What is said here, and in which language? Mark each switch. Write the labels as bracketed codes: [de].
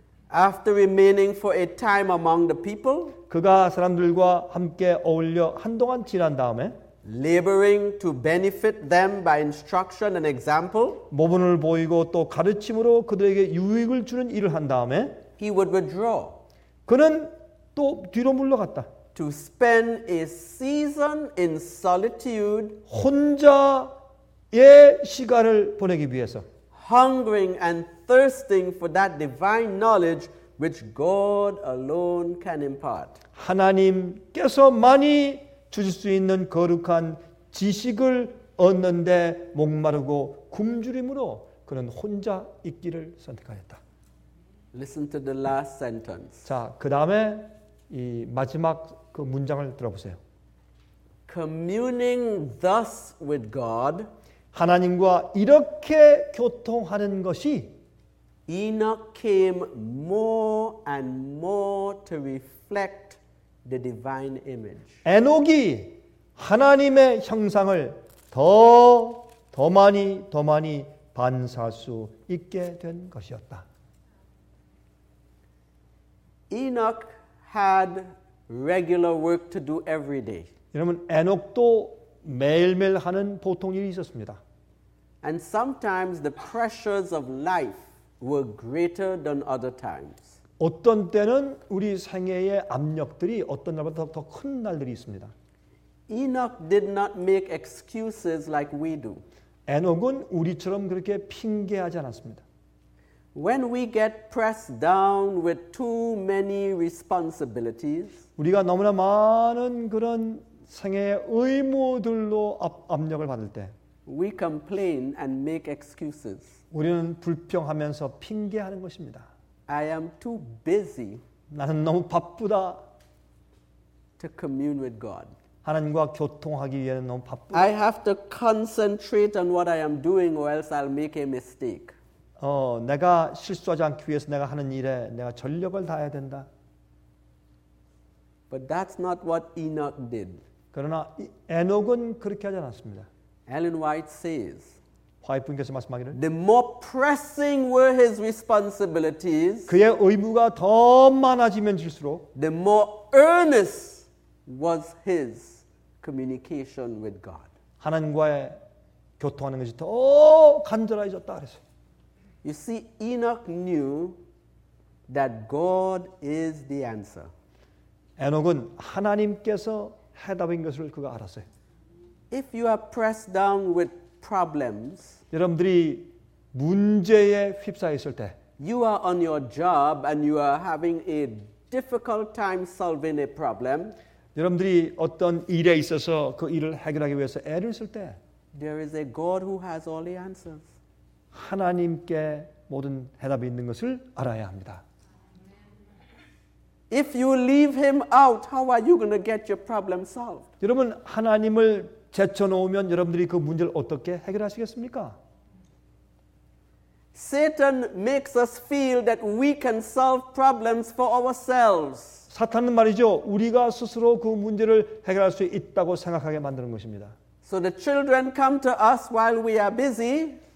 [en] After remaining for a time among the people, [ko] 그가 사람들과 함께 어울려 한동안 지난 다음에 [en] laboring to benefit them by instruction and example, [ko] 모범을 보이고 또 가르침으로 그들에게 유익을 주는 일을 한 다음에 [en] he would withdraw. [ko] 그는 또 뒤로 물러갔다. [en] To spend a season in solitude, [ko] 혼자의 시간을 보내기 위해서 [en] hungering and thirsting for that divine knowledge which God alone can impart. [ko] 하나님께서만이 주실 수 있는 거룩한 지식을 얻는데 목마르고 굶주림으로 그는 혼자 있기를 선택하였다. [en] Listen to the last sentence. [ko] 자, 그 다음에 이 마지막 그 문장을 들어보세요. [en] Communing thus with God, [ko] 하나님과 이렇게 교통하는 것이 [en] Enoch came more and more to reflect the divine image. [ko] 에녹이 하나님의 형상을 더 많이 반사할 수 있게 된 것이었다. [en] Enoch had regular work to do every day. [ko] 여러분, 에녹도 매일매일 하는 보통 일이 있었습니다. [en] And sometimes the pressures of life were greater than other times. [ko] 어떤 때는 우리 생애의 압력들이 어떤 날보다 더 큰 날들이 있습니다. [en] Enoch did not make excuses like we do. [ko] 에녹은 우리처럼 그렇게 핑계하지 않았습니다. [en] When we get pressed down with too many responsibilities, [ko] 우리가 너무나 많은 그런 생애의 의무들로 압력을 받을 때, [en] we complain and make excuses. [ko] 우리는 불평하면서 핑계하는 것입니다. [en] I am too busy. [ko] 나는 너무 바쁘다. [en] To commune with God. [ko] 하나님과 교통하기 위해 너무 바쁘다. [en] I have to concentrate on what I am doing, or else I'll make a mistake. [ko] 내가 실수하지 않기 위해서 내가 하는 일에 내가 전력을 다해야 된다. [en] But that's not what Enoch did. [ko] 그러나 에녹은 그렇게 하지 않았습니다. [en] Ellen White says, [ko] 화이프님께서 말씀하기를, [en] the more pressing were his responsibilities, [ko] 그의 의무가 더 많아지면 질수록, [en] the more earnest was his communication with God. [ko] 하나님과의 교통하는 것이 더 간절해졌다 그랬어요. [en] You see, Enoch knew that God is the answer. [ko] 에녹은 하나님께서 해답인 것을 그가 알았어요. [en] If you are pressed down with problems, [ko] 여러분들이 문제에 휩싸여 있을 때, [en] you are on your job and you are having a difficult time solving a problem, [ko] 여러분들이 어떤 일에 있어서 그 일을 해결하기 위해서 애를 쓸 때, [en] there is a God who has all the answers. [ko] 하나님께 모든 해답이 있는 것을 알아야 합니다. [en] If you leave him out, how are you going to get your problem solved? [ko] 여러분, 하나님을 제쳐놓으면 여러분들이 그 문제를 어떻게 해결하시겠습니까? [en] Satan makes us feel that we can solve problems for ourselves. [ko] 사탄은 말이죠, 우리가 스스로 그 문제를 해결할 수 있다고 생각하게 만드는 것입니다. [en] So the children come to us while we are busy.